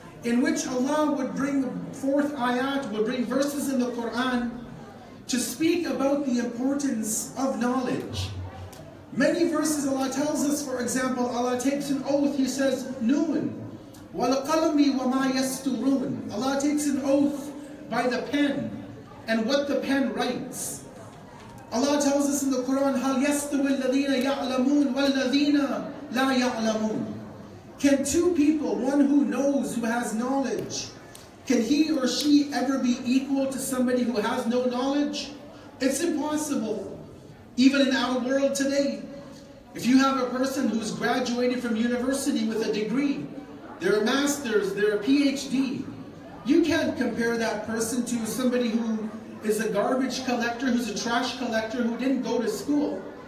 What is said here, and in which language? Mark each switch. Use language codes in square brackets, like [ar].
[en] in which Allah would bring forth ayat, would bring verses in the Quran to speak about the importance of knowledge. Many verses Allah tells us, for example, Allah takes an oath, He says, Noon, [ar] وَلَقَلَمِي وَمَا يَسْتُرُونَ. [en] Allah takes an oath by the pen and what the pen writes. Allah tells us in the Quran, [ar] هَلْ يَسْتُوِ الَّذِينَ يَعْلَمُونَ وَالَّذِينَ لَا يَعْلَمُونَ. [en] Can two people, one who knows, who has knowledge, can he or she ever be equal to somebody who has no knowledge? It's impossible. Even in our world today, if you have a person who's graduated from university with a degree, they're a master's, they're a PhD, you can't compare that person to somebody who is a garbage collector, who's a trash collector, who didn't go to school.